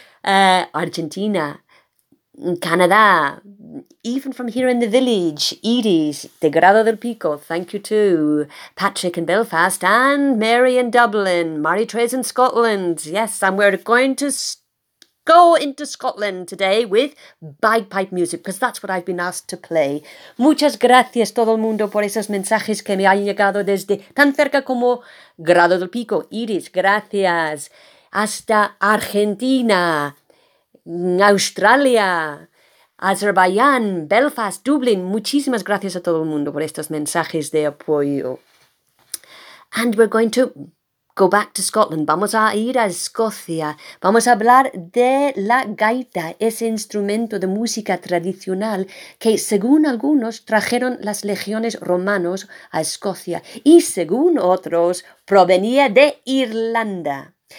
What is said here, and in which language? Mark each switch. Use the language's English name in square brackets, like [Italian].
[English] Argentina, Canada, even from here in the village, Edie's de Grado del Pico, thank you too. Patrick in Belfast and Mary in Dublin, Marie Therese in Scotland. Yes, and we're going to go into Scotland today with bagpipe music, because that's what I've been asked to play. [Spanish] Muchas gracias todo el mundo por esos mensajes que me han llegado desde tan cerca como Grado del Pico. Edie's, gracias. Hasta Argentina, Australia, Azerbaiyán, Belfast, Dublin. Muchísimas gracias a todo el mundo por estos mensajes de apoyo. [English] And we're going to go back to Scotland. [Spanish] Vamos a ir a Escocia. Vamos a hablar de la gaita, ese instrumento de música tradicional que, según algunos, trajeron las legiones romanos a Escocia y, según otros, provenía de Irlanda.